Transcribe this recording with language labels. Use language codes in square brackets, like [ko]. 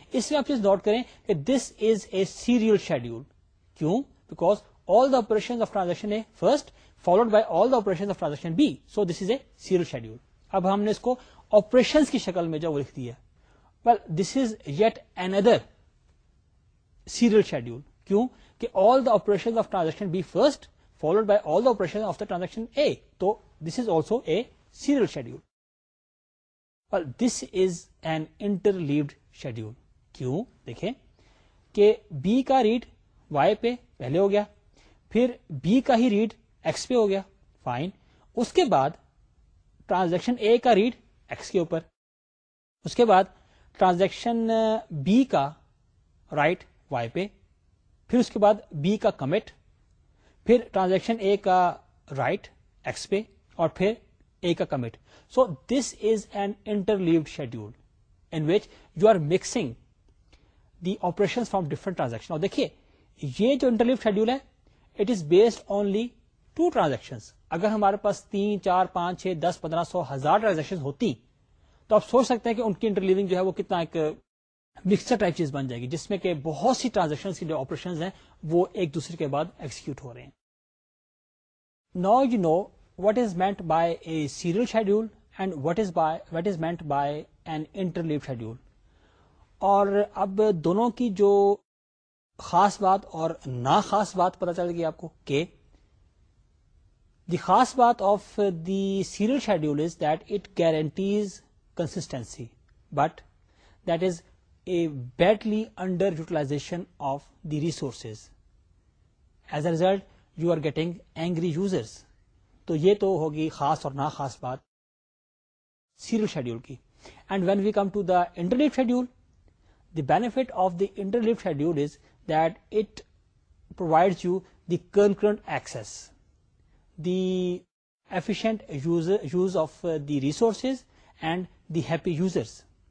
[ur] اس میں آپ یہ نوٹ کریں کہ [en] This is a serial schedule. کیوں؟ Because all the operation of transaction A first followed by all the operation of transaction B, so this is a serial schedule. [ur] اب ہم نے اس کو آپریشن کی شکل میں جو لکھ دیا, [en] well this is yet another serial schedule. [ur] کیوں کہ [en] all the operations of transaction B first followed by all the operations of the transaction A, تو this is also a serial schedule. Well this is an interleaved schedule. [ur] کیوں؟ دیکھیں کہ B کا read Y پہ پہلے ہو گیا, پھر B کا ہی read X پہ ہو گیا, fine. اس کے بعد transaction A کا read X کے اوپر, اس کے بعد ٹرانزیکشن بی کا رائٹ وائی پہ, پھر اس کے بعد بی کا کمٹ, پھر ٹرانزیکشن اے کا رائٹ ایکس پہ اور پھر اے کا commit. [en] So this is an interleaved schedule in which you are mixing the operation from different transaction. [ur] اور دیکھیے یہ جو انٹرلیوڈ شیڈیول ہے [en] It is based only to transaction. [ur] اگر ہمارے پاس تین, چار, پانچ, چھ, دس, پندرہ, سو, ہزار ٹرانزیکشن ہوتی تو آپ سوچ سکتے ہیں کہ ان کی انٹرلیونگ جو ہے وہ کتنا ایک مکسر ٹائپ چیز بن جائے گی, جس میں کہ بہت سی ٹرانزیکشن کے جو آپریشن ہیں وہ ایک دوسرے کے بعد ایکسیکیوٹ ہو رہے ہیں. [en] Now you know what is meant by a serial schedule and what is meant by an interleave schedule. [ur] اور اب دونوں کی جو خاص بات اور نا خاص بات پتا چل گئی آپ کو کہ [en] The خاص بات of the serial schedule is that it guarantees consistency, but that is a badly underutilization of the resources. As a result, you are getting angry users. [ur] تو یہ تو ہوگی خاص اور نہ خاص بات serial schedule کی. [en] And when we come to the interleaved schedule, the benefit of the interleaved schedule is that it provides you the concurrent access, the efficient use of the resources and the happy users.